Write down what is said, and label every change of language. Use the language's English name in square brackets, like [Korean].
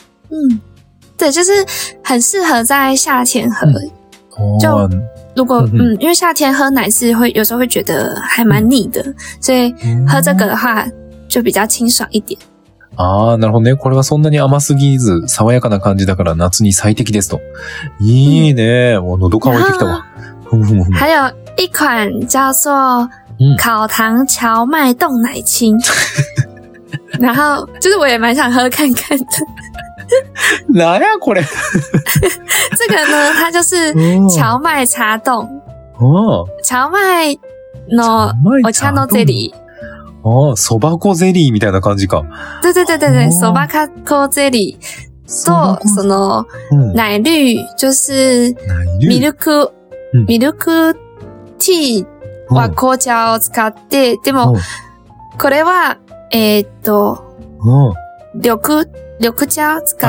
[Chinese] うん。对，就是很适合在夏天喝。嗯、就如果 嗯，因为夏天喝奶是会有时候会觉得还蛮腻的、嗯，所以喝这个的话就比较清爽一点。 [Japanese] ああ、なるほどね。これはそんなに甘すぎず、爽やかな感じだから夏に最適ですと。いいね。もう喉乾いてきたわ。 [Chinese] 还有一款叫做烤糖荞麦冻奶青。然后就是我也蛮想喝看看的。 [Japanese] なやこれ。 [Chinese] 这个呢，它就是荞麦茶冻。哦。 [Japanese] 荞麦のお茶のゼリー。哦，そばこゼリーみたいな感じか。 [Chinese] 对对对对对， [Japanese] そばこゼリーとその奶绿、嗯，就是ミルク、嗯、ミルクティー和紅茶を使って、嗯、でも、嗯、これは緑茶を使った。